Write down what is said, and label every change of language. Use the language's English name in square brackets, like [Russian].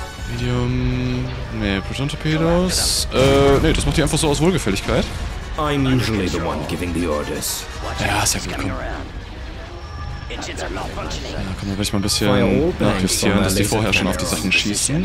[German] Medium. Nee, Proton Torpedos. Nee, das macht die einfach so aus Wohlgefälligkeit. [English] I'm usually the one giving the orders. [German] Ja, ist ja gut, komm. Ja, komm, dann werde ich mal ein bisschen nachjustieren, dass die vorher schon auf die Sachen schießen.